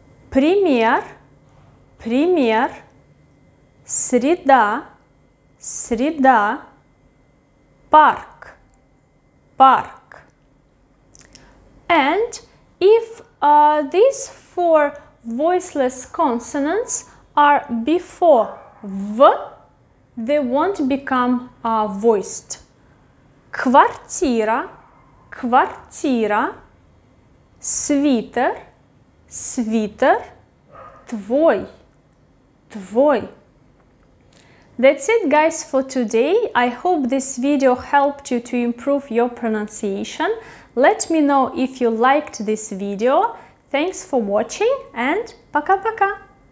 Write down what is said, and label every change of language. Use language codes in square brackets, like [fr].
[ru] Пример, пример, среда, среда, парк, парк. [en] And if these four voiceless consonants are before V, they won't become voiced. [ru] Квартира, квартира, свитер, свитер, твой, твой. [en] That's it, guys, for today. I hope this video helped you to improve your pronunciation. Let me know if you liked this video. Thanks for watching and [ru] пока-пока!